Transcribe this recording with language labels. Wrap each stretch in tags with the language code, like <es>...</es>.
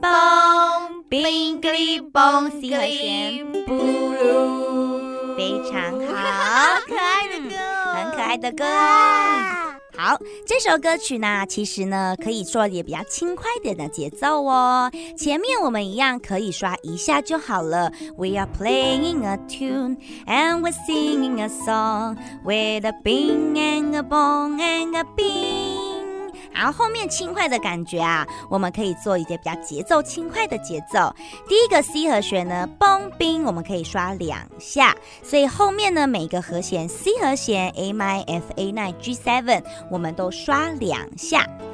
<zh>蹦冰里蹦 C 和弦不如，非常好，可爱的歌，很可爱的歌哦。好，这首歌曲呢，其实呢可以做也比较轻快点的节奏哦。前面我们一样可以刷一下就好了。</zh> <en>We are playing a tune and we're singing a song with a bing and a bong and a bing。</en> <zh>然后后面轻快的感觉啊，我们可以做一些比较节奏轻快的节奏。第一个 C 和弦呢，蹦冰，我们可以刷两下，所以后面呢每个和弦 C 和弦 AmiFA9G7 我们都刷两下。</zh>